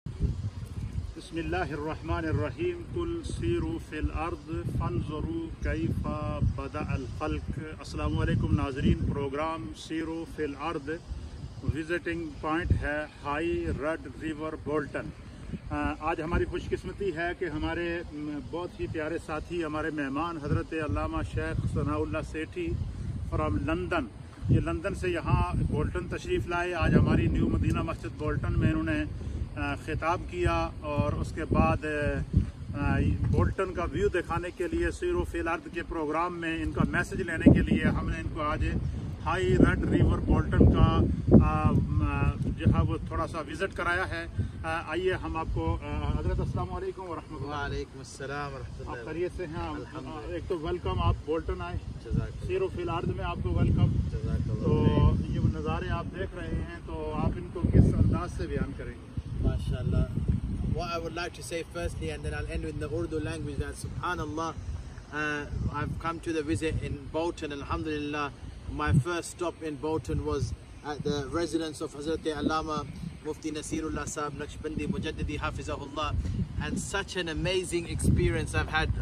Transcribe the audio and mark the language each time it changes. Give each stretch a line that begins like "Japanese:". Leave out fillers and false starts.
Arabic: بسم الله الرحمن الرحيم قل سيروا في الارض فانظروا كيف بدا الخلق.
Urdu: السلام علیکم ناظرین, پروگرام سیرو فی الارض. وزٹنگ پوائنٹ ہے ہائی رڈ ریور بولٹن. آج ہماری خوش قسمتی ہے کہ ہمارے بہت ہی پیارے ساتھی, ہمارے مہمان حضرت علامہ شیخ ثناء اللہ سیٹھی فرام لندن, یہ لندن سے یہاں بولٹن تشریف لائے. آج ہماری نیو مدینہ مسجد بولٹن میں انہوں نے خطاب کیا, اور اس کے بعد بولٹن کا ویو دکھانے کے لیے سیرو فی الارض کے پروگرام میں ان کا میسج لینے کے لیے ہم نے ان کو آج ہائی رڈ ریور بولٹن کا جو ہے وہ تھوڑا سا وزٹ کرایا ہے. آئیے ہم آپ کو حضرت, السلام علیکم و رحمۃ اللہ. وعلیکم السلام و رحمۃ اللہ. آپ خیریت سے ہیں؟ ایک تو ویلکم, آپ بولٹن آئے, سیرو فی الارض میں آپ کو ویلکم. تو یہ نظارے آپ دیکھ رہے ہیں, تو آپ ان کو کس انداز سے بیان کریں گے؟
English: MashaAllah. What I would like to say firstly, and then I'll end with the Urdu language, that SubhanAllah, I've come to the visit in Bolton, Alhamdulillah. My first stop in Bolton was at the residence of Hazrat Allama Mufti Naseerullah Sahib Naqshbandi Mujaddidi Hafizahullah, and such an amazing experience I've had.